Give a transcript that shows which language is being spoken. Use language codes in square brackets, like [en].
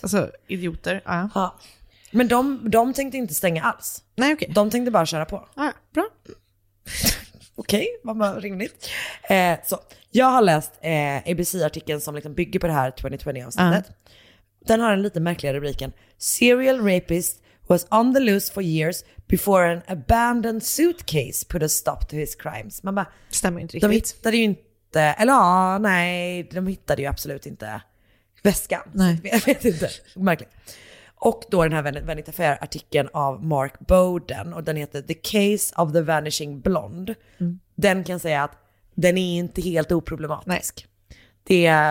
[sv] Alltså idioter. Ja. Ja. Men de tänkte inte stänga alls. Nej, okay. De tänkte bara köra på. Ja, bra. Okej, vad rimligt. Så, jag har läst ABC-artikeln som liksom bygger på det här 2020-avsnittet. Den har en lite märkliga rubriken. [en] Serial rapist was on the loose for years before an abandoned suitcase put a stop to his crimes. [sv] Man bara, stämmer inte riktigt. De hittade ju inte, de hittade ju absolut inte väskan. Nej. Jag vet inte, märkligt. Och då den här Vanity Fair-artikeln av Mark Bowden och den heter The Case of the Vanishing Blonde. Mm. Den kan säga att den är inte helt oproblematisk. Nej.